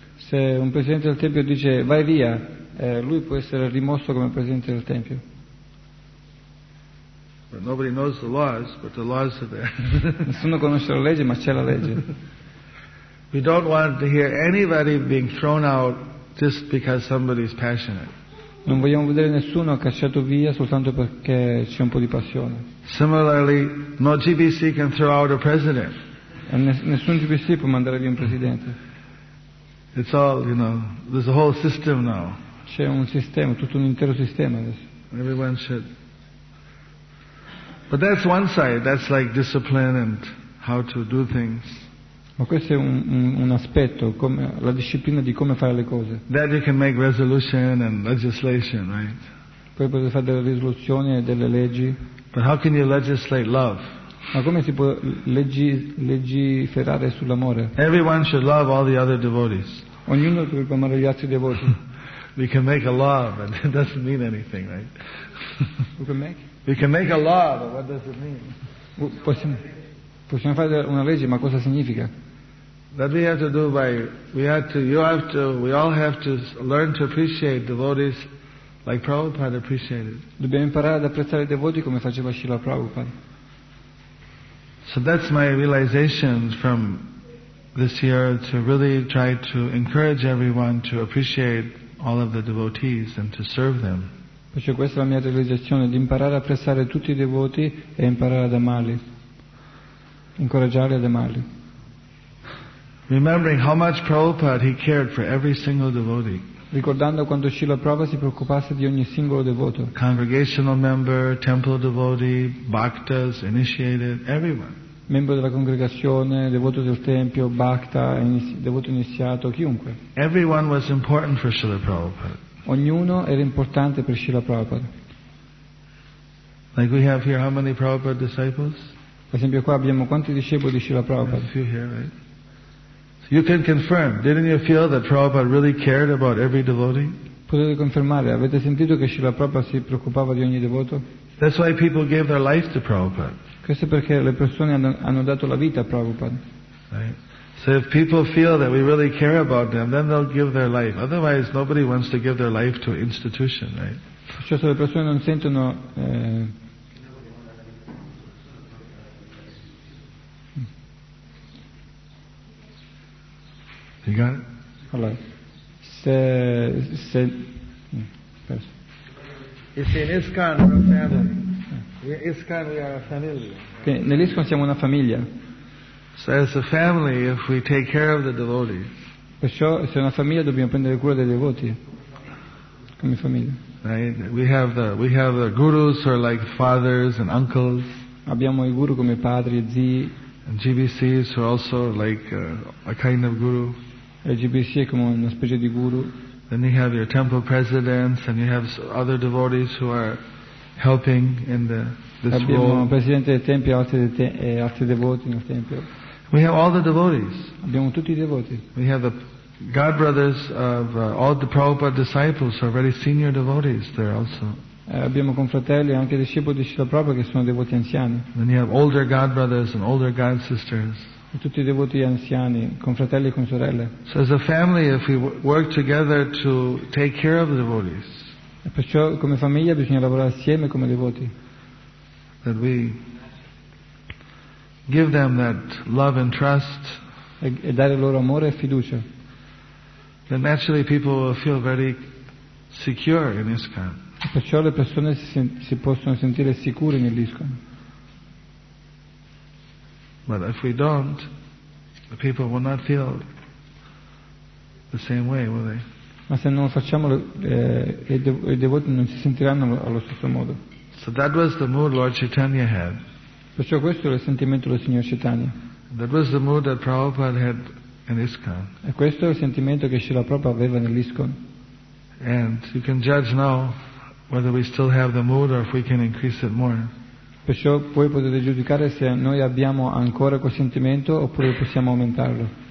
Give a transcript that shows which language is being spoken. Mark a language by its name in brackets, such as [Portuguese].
[Italian] Se un presidente del tempio dice vai via, lui può essere rimosso come presidente del tempio. [English] But nobody knows the laws, but the laws are there. [Italian] Nessuno conosce la legge, ma c'è la legge. [English] We don't want to hear anybody being thrown out just because somebody is passionate. [Italian] Non vogliamo vedere nessuno cacciato via soltanto perché c'è un po' di passione. [English] Similarly, no GBC can throw out a president. [Italian] Nessun GBC può mandare via un presidente. [English] It's all, you know, there's a whole system now. [Italian] C'è un sistema, tutto un intero sistema adesso. [English] Everyone should. But that's one side. That's like discipline and how to do things. [Italian] Ma questo è un aspetto, come, la disciplina di come fare le cose. [English] That you can make resolution and legislation, right? [Italian] Poi potete fare delle risoluzioni e delle leggi. [English] But how can you legislate love? [Italian] Ma come si può legiferare sull'amore? [English] Everyone should love all the other devotees. [Italian] Ognuno dovrebbe amare gli altri devoti. [English] We can make a law, but it doesn't mean anything, right? We can make a law, but what does it mean? [Italian] Possiamo fare una legge, ma cosa significa? [English] That we have to do by, we have to, you have to, we all have to learn to appreciate devotees like Prabhupada appreciated. [Italian] Dobbiamo imparare ad apprezzare i devoti come faceva Srila Prabhupada. [English] So that's my realization from this year, to really try to encourage everyone to appreciate all of the devotees and to serve them. [Italian] Perciò questa è la mia realizzazione, di imparare ad apprezzare tutti i devoti e imparare ad amarli. Incoraggiare ad amarli. [English] Remembering how much Prabhupada he cared for every single devotee. [Italian] Ricordando quando Srila Prabhupada si preoccupasse di ogni singolo devoto. [English] Congregational member, temple devotee, bhaktas, initiated, everyone. [Italian] Membro della congregazione, devoto del tempio, bhakta, devoto iniziato, chiunque. [English] Everyone was important for Srila Prabhupada. [Italian] Ognuno era importante per Srila Prabhupada. [English] Like we have here, how many Prabhupada disciples? [Italian] Per esempio qua abbiamo quanti discepoli di Srila Prabhupada? [English] You can confirm. Didn't you feel that Prabhupada really cared about every devotee? [Italian] Potete confermare. Avete sentito che Srila Prabhupada si preoccupava di ogni devoto? [English] That's why people gave their life to Prabhupada. [Italian] Questo è perché le persone hanno dato la vita a Prabhupada. [English] So if people feel that we really care about them, then they'll give their life. Otherwise, nobody wants to give their life to an institution, right? [Italian] Cioè se le persone non sentono [English] You got it? Hello. You see, in ISKCON we're a family. In ISKCON we are a family. [Italian] Okay. Nell'ISKCON siamo una famiglia. [English] So as a family, if we take care of the devotees. [Italian] Perciò, se una famiglia, dobbiamo prendere cura dei devoti. Come famiglia. [English] Right? We have the gurus who are like fathers and uncles. [Italian] Abbiamo i guru come padri e zii. [English] And GBCs who are also like a kind of guru. [Italian] E GBC è come una specie di guru. [English] Then you have your temple presidents and you have other devotees who are helping in the this role. [Italian] Abbiamo un presidente del tempio e altri devoti nel tempio. [English] We have all the devotees. [Italian] Abbiamo tutti i devoti. [English] We have the god brothers of all the Prabhupada disciples who are very senior devotees there also. [Italian] Abbiamo confratelli e anche discepoli di Srila Prabhupada che sono devoti anziani. [English] Then you have older god brothers and older god sisters. [Italian] Tutti i devoti anziani, con fratelli e con sorelle. [English] So as a family, if we work together to take care of the devotees. [Italian] E perciò come famiglia bisogna lavorare assieme come devoti. [English] That we give them that love and trust. [Italian] E dare loro amore e fiducia. [English] Then naturally people will feel very secure in ISKCON. [Italian] E perciò le persone si possono sentire sicure nell'ISKCON. [English] But if we don't, the people will not feel the same way, will they? [Italian] Ma se non lo facciamo, i devoti non si sentiranno allo stesso modo. [English] So that was the mood Lord Chaitanya had. [Italian] Perciò questo è il sentimento del signor Chaitanya. [English] That was the mood that Prabhupada had in ISKCON. [Italian] E questo è il sentimento che Srila Prabhupada aveva nell'ISKCON. [English] And you can judge now whether we still have the mood or if we can increase it more. [Italian] Perciò voi potete giudicare se noi abbiamo ancora quel sentimento oppure possiamo aumentarlo.